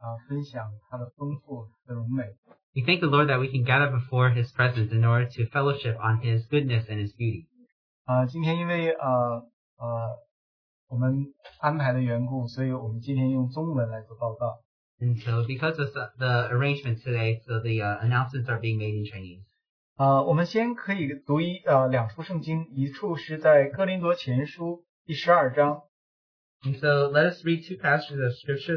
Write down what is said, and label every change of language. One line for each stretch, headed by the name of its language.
English: We thank the Lord that we can gather before His presence in order to fellowship on His goodness and His beauty.
Chinese: 今天因为我们安排的缘故，所以我们今天用中文来做报告。
English: And so because of the arrangement today, so the announcements are being made in Chinese.
Chinese: 我们先可以读两处圣经，一处是在哥林多前书第十二章。
English: And so let us read two passages of scripture.